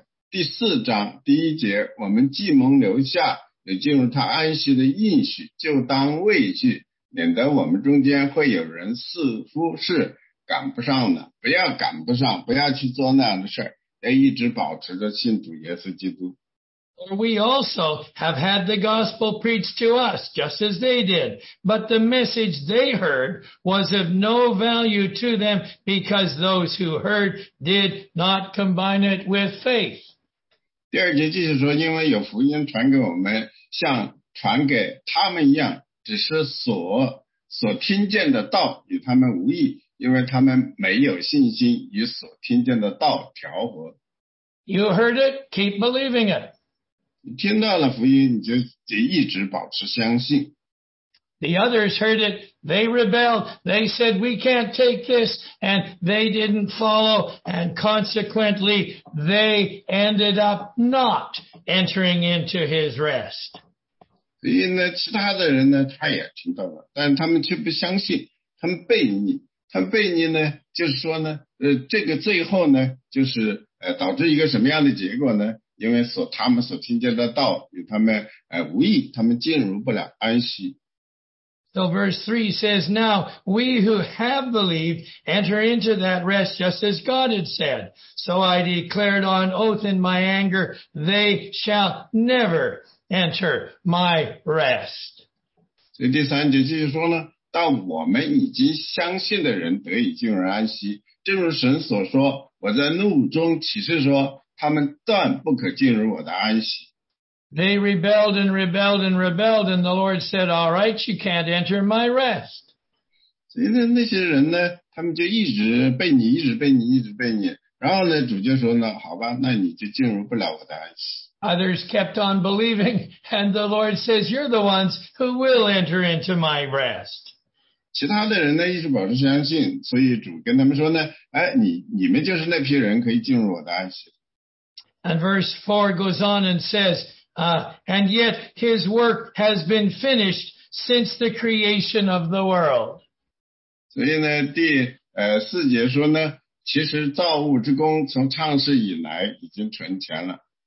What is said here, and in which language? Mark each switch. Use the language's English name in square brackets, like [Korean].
[Chinese] 第四章第一节，我们既蒙留下，进入他安息的应许，就当畏惧，免得我们中间会有人似乎是赶不上的，不要赶不上，不要去做那样的事，要一直保持着信主耶稣基督。 [English] We also have had the gospel preached to us, just as they did. But the message they heard was of no value to them because those who heard did not combine it with faith. [Chinese] 第二节继续说，因为有福音传给我们，像传给他们一样，只是所听见的道与他们无异，因为他们没有信心与所听见的道调和。 [English] You heard it, keep believing it. [Chinese] 听到了福音，你就得一直保持相信。 [English] The others heard it, they rebelled, they said we can't take this, and they didn't follow, and consequently they ended up not entering into his rest. [Chinese] 所以呢，其他的人呢，他也听到了，但他们却不相信，他们悖逆，他们悖逆呢，就是说呢，这个最后呢，就是导致一个什么样的结果呢？因为他们所听见的道与他们无异，他们进入不了安息。 [English] So verse 3 says, Now we who have believed enter into that rest just as God had said. So I declared on oath in my anger, they shall never enter my rest. [Chinese] 所以第三节继续说呢，但我们已经相信的人得以进入安息。正如神所说，我在怒中启示说，他们断不可进入我的安息。 [English] They rebelled and rebelled and rebelled, and the Lord said, All right, you can't enter my rest. [Chinese] 所以呢，那些人呢，他们就一直背你，一直背你，一直背你。然后呢，主就说呢，好吧，那你就进入不了我的安息。 [English] Others kept on believing, and the Lord says, You're the ones who will enter into my rest. [Chinese] 其他的人呢，一直保持相信，所以主跟他们说呢，哎，你们就是那批人，可以进入我的安息。 [English] And verse 4 goes on and says, and yet his work has been finished since the creation of the world. [Chinese] 所以呢，四节说呢，其实造物之功从创世以来已经成全了。